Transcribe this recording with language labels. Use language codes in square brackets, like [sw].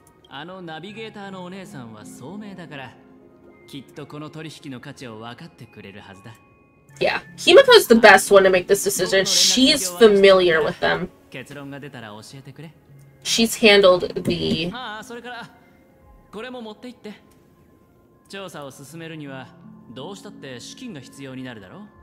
[ja] あのナビゲーターのお姉さんは聡明だから、きっとこの取引の価値を分かってくれるはずだ。 [en] Yeah, Himiko is the best one to make this decision. She is familiar with them. [ja] 結論が出たら教えてくれ。 [en] She's handled the... [ja] ああ、それから、これも持って行って。調査を進めるには、どうしたって資金が必要になるだろう。